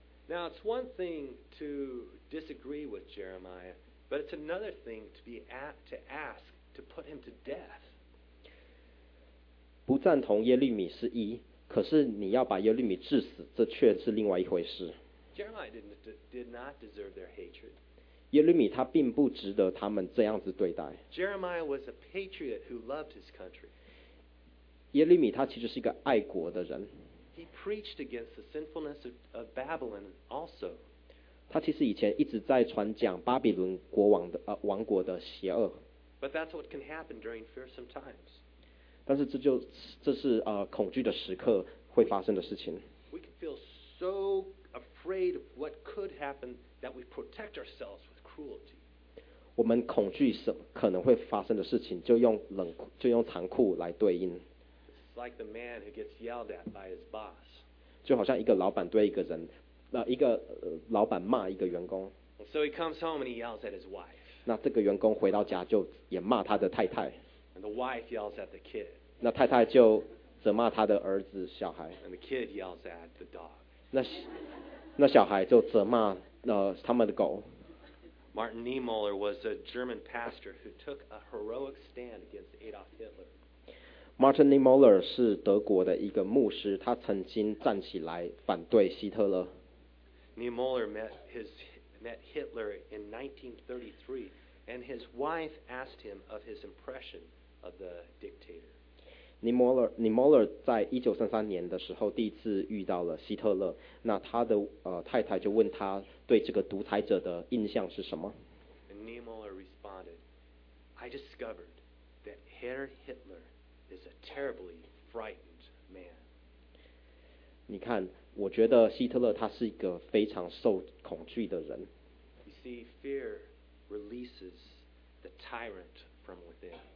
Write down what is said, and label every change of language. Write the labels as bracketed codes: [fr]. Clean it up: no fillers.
[en] Now it's one thing to disagree with Jeremiah.But it's another thing to ask to put him to death. [zh] 不赞同耶利米是一，可是你要把耶利米治死，这却是另外一回事。 [en] Jeremiah did not deserve their hatred. [zh] 耶利米他并不值得他们这样子对待。 [en] Jeremiah was a patriot who loved his country. [zh] 耶利米他其实是一个爱国的人。 [en] He preached against the sinfulness of Babylon also. [zh] 他其实以前一直在传讲巴比伦国王的王国的邪恶。 [en] But that's what can happen during fearsome times. [zh] 但是这是恐惧的时刻会发生的事情。 [en] We can feel so afraid of what could happen that we protect ourselves with cruelty. [zh] 我们恐惧可能会发生的事情就用残酷来对应。 [en] It's like the man who gets yelled at by his boss. [zh] 就好像一个老板对一个人，一个老板骂一个员工。 [en] So he comes home and he yells at his wife. [zh] 那这个员工回到家就也骂他的太太。 [en] And the wife yells at the kid. [zh] 那太太就责骂他的儿子小孩。 [en] And the kid yells at the dog. [zh] 那小孩就责骂他们的狗。 [en] Martin Niemöller was a German pastor who took a heroic stand against Adolf Hitler. [zh] Martin Niemöller 是德国的一个牧师，他曾经站起来反对希特勒。 [en] Niemöller met Hitler in 1933, and his wife asked him of his impression of the dictator. [zh] Niemöller 在1933年的时候第一次遇到了希特勒，那他的太太就问他对这个独裁者的印象是什么。 [en] And Niemöller responded, I discovered that Herr Hitler is a terribly frightened man. [zh] 你看，我觉得希特勒他是一个非常受恐惧的人。 [en] You see, fear releases the tyrant from within.